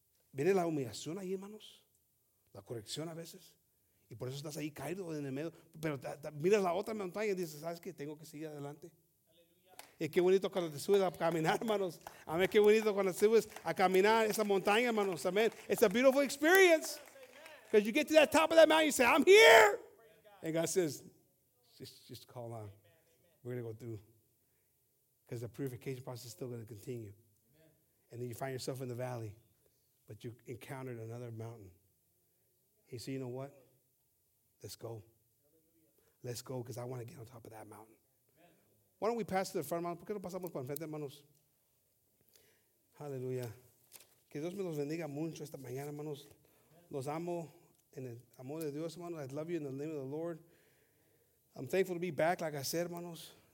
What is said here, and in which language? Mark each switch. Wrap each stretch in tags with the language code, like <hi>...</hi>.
<es>Viene la humillación ahí, hermanos, la corrección a veces, y por eso estás ahí caído en el medio, pero miras la otra montaña y dices, ¿sabes qué? Tengo que seguir adelante. Aleluya. Y qué bonito cuando te subes a caminar, hermanos, amén, qué bonito cuando te subes a caminar esa montaña, hermanos, amén.</es> <en>It's a beautiful experience. Because you get to that top of that mountain, you say, I'm here. God. And God says, just call on. Amen, amen. We're going to go through. Because the purification process is still going to continue. Amen. And then you find yourself in the valley, but you encountered another mountain. And you say, you know what? Let's go. Let's go, because I want to get on top of that mountain. Amen. Why don't we pass to the front, hermanos?</en> <es>¿Por qué no pasamos por enfrente, hermanos?</es> <en>Hallelujah.</en> <es>Que Dios me los bendiga mucho esta mañana, hermanos. Los amo en el amor de Dios, hermanos.</es> <en>I love you in the name of the Lord. I'm thankful to be back, like I said, hermanos.</en>